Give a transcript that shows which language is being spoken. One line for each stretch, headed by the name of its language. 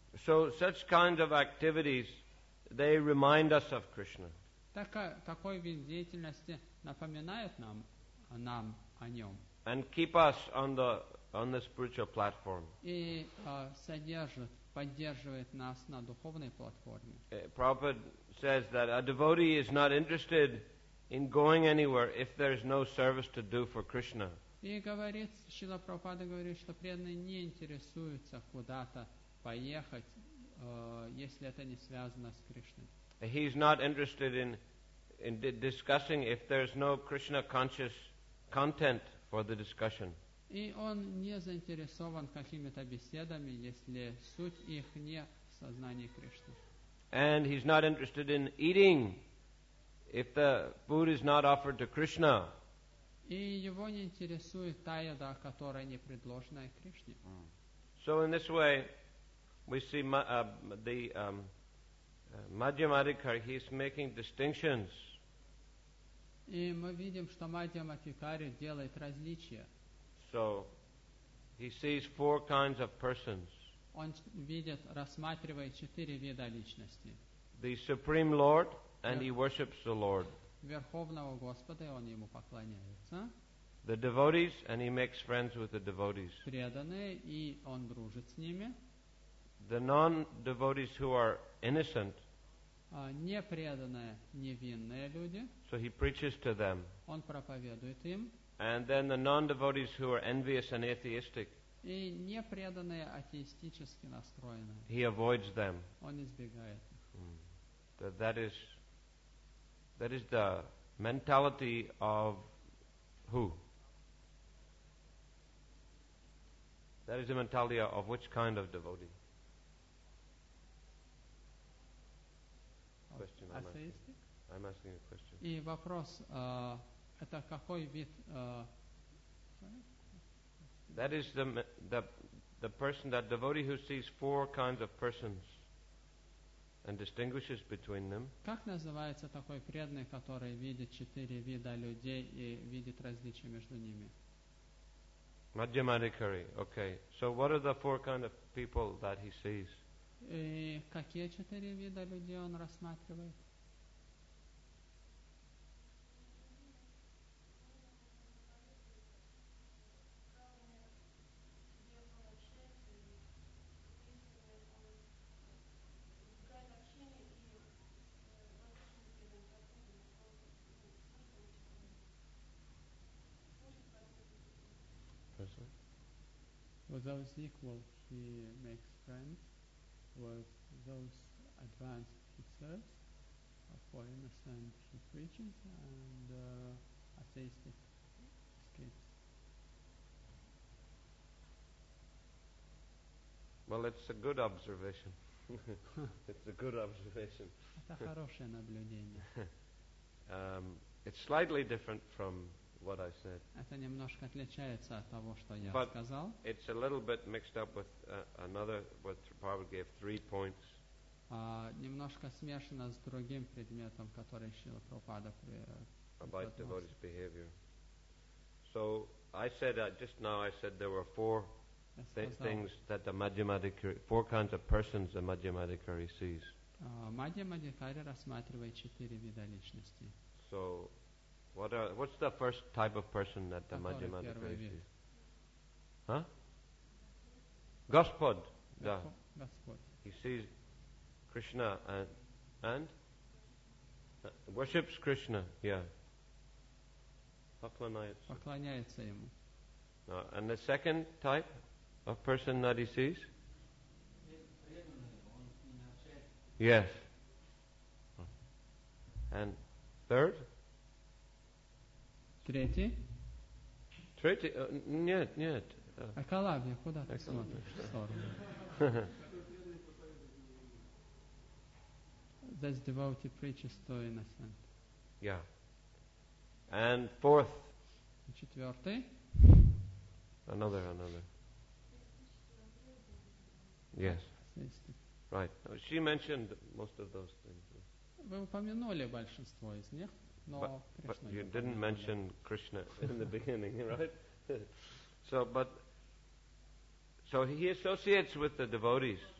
English: So such kinds of activities, they remind us of Krishna.
Russian: Такой вид деятельности напоминает нам о Нем.
English: And keep us on the spiritual platform.
Russian: И поддерживает нас на духовной платформе.
English: Prabhupada says that a devotee is not interested in going anywhere if there is no service to do for Krishna.
Russian: И говорит, Шрила Прабхупада говорит, что преданный не интересуется куда-то поехать, если это не связано с Кришной.
English: He is not interested in discussing if there is no Krishna conscious content for the discussion.
Russian: И он не заинтересован какими-то беседами, если суть их не в сознании Кришны.
English: And he's not interested in eating if the food is not offered to Krishna.
Russian: И его не интересует та еда, которая не предложена Кришне.
English: So in this way, we see Madhyamadhikari, he's making distinctions.
Russian: И мы видим, что Мадхьямадхикари делает различия.
English: So he sees four kinds of persons.
Russian: Он видит, рассматривает четыре вида личности.
English: The Supreme Lord, and he worships the Lord.
Russian: Верховного Господа, и он ему поклоняется.
English: The devotees, and he makes friends with the devotees.
Russian: Преданные, и он дружит с ними.
English: The non-devotees who are innocent.
Russian: Непреданные, невинные люди.
English: So he preaches to them.
Russian: Он проповедует им.
English: And then the non-devotees who are envious and atheistic.
Russian: И непреданные атеистически настроены.
English: He avoids them.
Russian: Он избегает.
English: That is the mentality of who? That is the mentality of which kind of devotee? Question. I'm asking a question.
Russian: И вопрос. Это какой вид?
English: That is the person, that devotee who sees four kinds of persons and distinguishes between them.
Russian: Как называется такой преданный, который видит четыре вида людей и видит различия между ними?
English: Madhyamadhikari. Okay. So what are the four kinds of people that he sees?
Russian: И какие четыре вида людей он рассматривает?
English: With those equal, he makes friends. With those advanced, he serves. For innocent, he preaches. And atheistic, escapes. Well, it's a good observation. It's a good observation.
Russian: Это хорошее наблюдение.
English: It's slightly different from what I said.
Russian: Это немножко отличается от того, что я
English: but
Russian: сказал.
English: It's a little bit mixed up with another, what Prabhupada gave three points.
Russian: Немножко смешано с другим предметом, который Шрила Прабхупада
English: about devotees' behavior. So I said just now. I said there were four things that the Madhyamadhikari, four kinds of persons the Madhyamadhikari sees.
Russian: Madhyamadhikari рассматривает четыре вида личности.
English: So. What's the first type of person that the Madhyamadhikari sees?
Russian: Huh? Gospod. Да. Господ.
English: He sees Krishna and worships Krishna, yeah.
Russian: Поклоняется. Поклоняется ему.
English: And the second type of person that he sees? Yes. And third?
Russian: Третий? Третий? Нет. А Калабья, куда ты смотришь? В сторону.
English: That's devotee preaches to innocent. Yeah. And fourth?
Russian: Четвертый?
English: Another. Yes. Right. Now, she mentioned most of those things.
Russian: Вы упомянули большинство из них, но
English: but you didn't mention Krishna in the beginning, right? So he associates with the devotees.